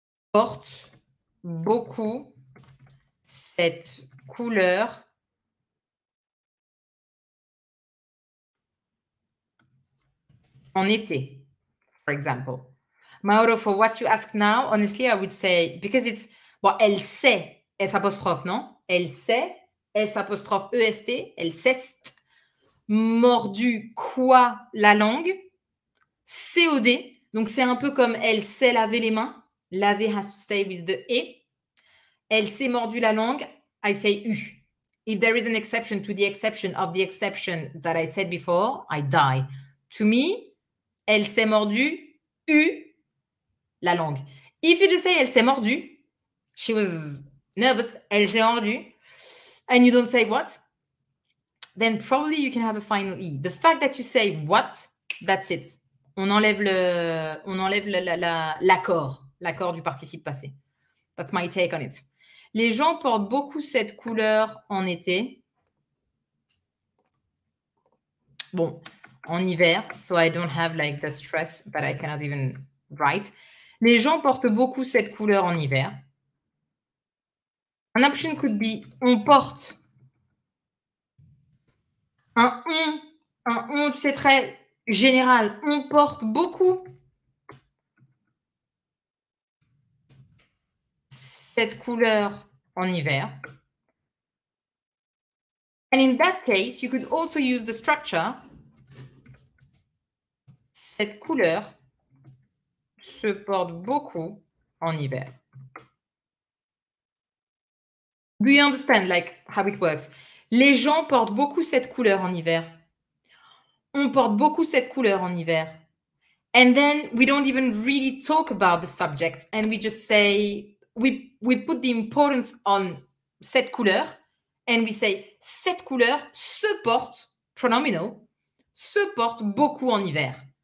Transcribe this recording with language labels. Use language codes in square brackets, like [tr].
[fr] porte beaucoup cette couleur en été, [en] for example. Mauro, for what you ask now, honestly, I would say, because it's, well, [fr] elle sait, S apostrophe, non? Elle sait, S apostrophe, E-S-T, elle s'est mordu quoi la langue? C-O-D, donc c'est un peu comme elle sait laver les mains. [en] Laver has to stay with the E. [fr] Elle s'est mordu la langue. [en] I say U. If there is an exception to the exception of the exception that I said before, I die. To me, [fr] elle s'est mordu U la langue. [en] If you just say [fr] elle s'est mordu, [en] she was nervous, elle s'est mordu, and you don't say what, then probably you can have a final E. The fact that you say what, that's it. [fr] On enlève l'accord. L'accord du participe passé. [en] That's my take on it. [fr] Les gens portent beaucoup cette couleur en été. Bon, en hiver. [en] So I don't have like the stress that I cannot even write. [fr] Les gens portent beaucoup cette couleur en hiver. [en] An option could be [fr] on porte un on, c'est très général. On porte beaucoup. Cette couleur en hiver. [en] And in that case, you could also use the structure. [fr] Cette couleur se porte beaucoup en hiver. [en] Do you understand like how it works? [fr] Les gens portent beaucoup cette couleur en hiver. On porte beaucoup cette couleur en hiver. [en] And then we don't even really talk about the subject and we just say... We put the importance on [fr] cette couleur and we say cette couleur se porte, pronominal, se porte beaucoup en hiver.